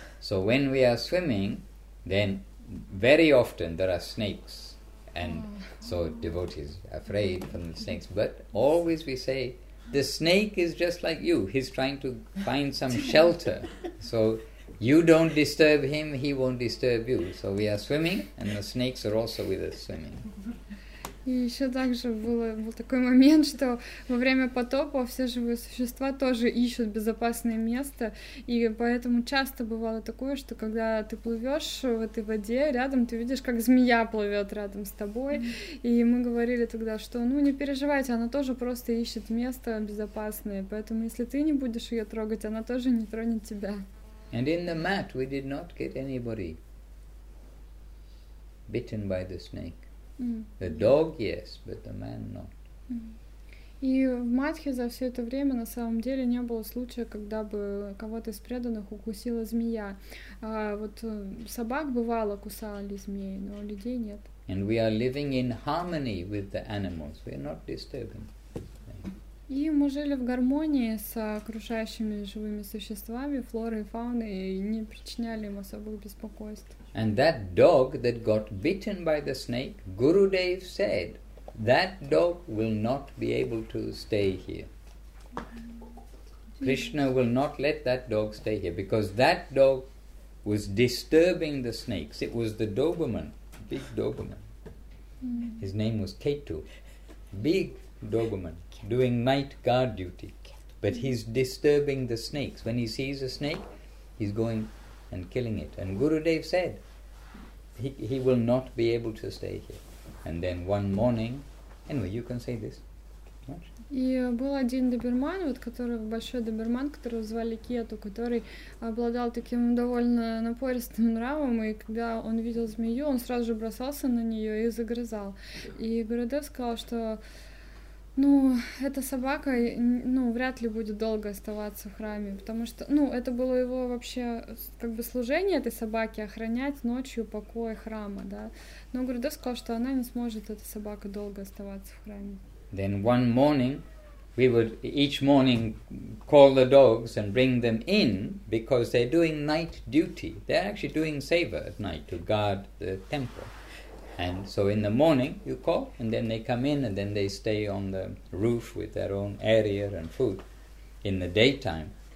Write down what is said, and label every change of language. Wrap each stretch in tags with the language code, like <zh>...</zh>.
<en>So when we are swimming, then very often there are snakes, and so devotees afraid from the snakes. But always we say, the snake is just like you. He's trying to find some shelter. So you don't disturb him, he won't disturb you. So we are swimming, and the snakes are also with us swimming.</en> <ru>И еще также был такой момент, что во время потопа все живые существа тоже ищут безопасное место, и поэтому часто бывало такое, что когда ты плывешь в этой воде рядом, ты видишь, как змея плывет рядом с тобой, и мы говорили тогда, что ну не переживайте, она тоже просто ищет место безопасное, поэтому если ты не будешь ее трогать, она тоже не тронет тебя.</ru> <en>And in the mat we did not get anybody bitten by the snake. The dog, yes, but the man, not.</en> <ru>И в Матхе за все это время на самом деле не было случая, когда бы кого-то из преданных укусила змея. Вот собак бывало кусали змеи, но людей нет.</ru> <en>And we are living in harmony with the animals. We are not disturbing.</en> <ru>И мы жили в гармонии с окружающими живыми существами, флорой и фауной, и не причиняли им особых беспокойств.</ru> <en>And that dog that got bitten by the snake, Gurudev said, that dog will not be able to stay here. Krishna will not let that dog stay here, because that dog was disturbing the snakes. It was the Doberman, big Doberman. His name was Ketu, big Doberman, doing night guard duty. But he's disturbing the snakes. When he sees a snake, he's going and killing it. And Gurudev said, he will not be able to stay here. And then one morning, anyway, you can say this.</en> <ru>И был один доберман, вот который, большой доберман, которого звали Кету, который обладал таким довольно напористым нравом, и когда он видел змею, он сразу же бросался на нее и загрызал. И Гурудев сказал, что ну, эта собака, ну, вряд ли будет долго оставаться в храме, потому что, ну, это было его вообще, как бы, служение этой собаке охранять ночью покой храма, да. Но Гурудев сказал, что она не сможет, эта собака, долго оставаться в храме.</ru> <en>Then one morning, we would each morning call the dogs and bring them in, because they're doing night duty. They're actually doing seva at night to guard the temple. And so in the morning you call, and then they come in, and then they stay on the roof with their own area and food in the daytime.</en>